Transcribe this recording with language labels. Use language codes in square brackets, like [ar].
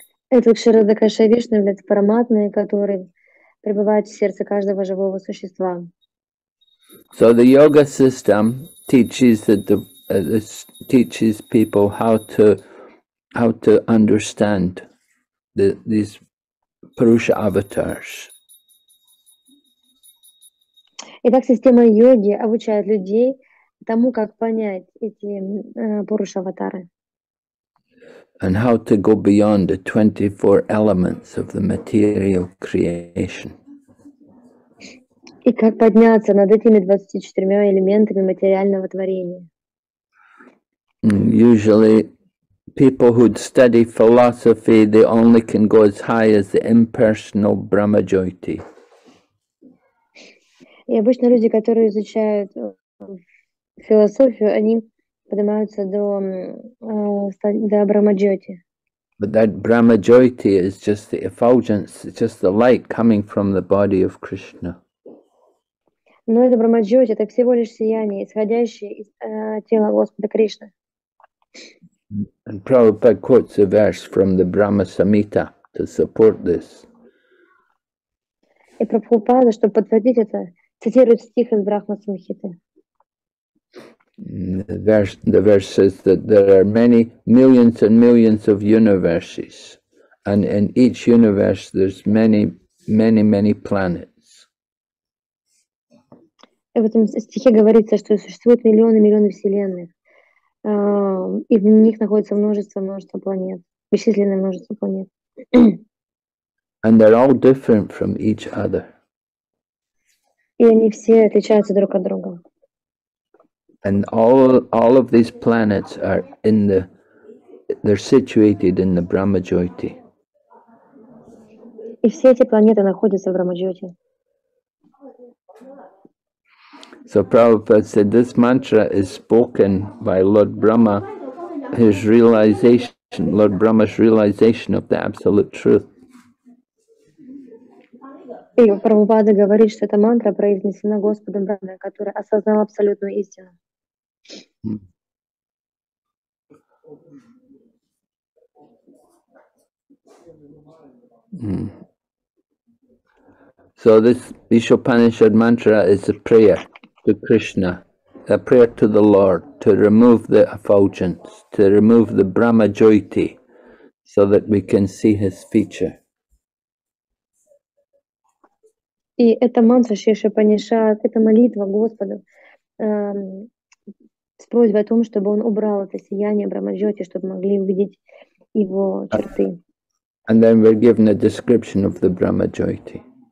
[ru] Это Shirodakshay Vishnu является Параматмой, который пребывает в сердце каждого живого существа. [en] So the yoga system teaches people how to understand these Purusha avatars. [ru] Итак, система йоги обучает людей тому, как понять эти пуруша-аватары. [en] And how to go beyond the 24 elements of the material creation. [ru] И как подняться над этими 24 элементами материального творения. [en] Usually, people who study philosophy, they only can go as high as the impersonal Brahma-jyoti. [ru] И обычно люди, которые изучают философию, они поднимаются до Брахма-джойти. [en] But that Brahma-джойти is just the effulgence, just the light coming from the body of Krishna. [ru] Но это Брахма-джойти, это всего лишь сияние, исходящее из тела Господа Кришны. [en] And Prabhupada quotes a verse from the Brahma Samhita to support this. [ru] И Прабхупада, чтобы подтвердить это, цитирует стих из Брахма Самхиты. [en] The verse says that there are many millions and millions of universes, and in each universe there's many, many, many planets. [ru] В этом стихе говорится, что существует миллионы, миллионы вселенных, и в них находится множество планет, бесчисленное множество планет. [en] And they're all different from each other. [ru] И они все отличаются друг от друга. [en] And all of these planets are in the they're situated in the Brahma Jyoti. [ru] И все эти планеты находятся в Брахма-джоти. [en] So Prabhupada said this mantra is spoken by Lord Brahma, his realization, Lord Brahma's realization of the absolute truth. [ru] И Прабхупада говорит, что эта мантра произнесена Господом Брахмой, который осознал абсолютную истину. [en] So this Ishopanishad mantra is a prayer to Krishna, a prayer to the Lord to remove the effulgence, to remove the Brahma Jyoti, so that we can see His feature. [ru] И эта мантра Ишопанишад, это молитва Господу с просьбой о том, чтобы Он убрал это сияние Брахма Джоти, чтобы могли увидеть Его черты. [en] And then we're given a description of the Brahma Jyoti.